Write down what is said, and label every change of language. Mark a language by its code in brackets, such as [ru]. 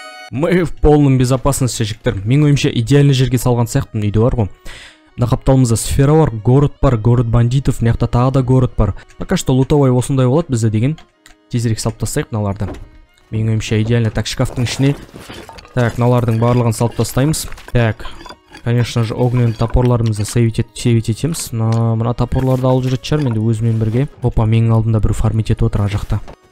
[ru] Мы в полном безопасности, жігіттер. [kk] Менің ойымша идеальный жерге салған сияқтымын, үйде бар ғой. Мына қапталымызда сфера бар, город бар, город бандитов, мына жақта тағы да город бар. Пока что лутовой осындай болады бізде деген. Тезірек салып тастайық мыналарды. Менің ойымша идеально. Так, шкафтың ішіне. Так, мыналардың барлығын салып тастаймыз. Так, [ru] конечно же, огненный [kk] топорларымызды сейвить етеміз. Мына топорларды алып жүретін шығармын енді өзімен бірге. Опа, менің алдымда бір фармит етіп отыр ана жақта.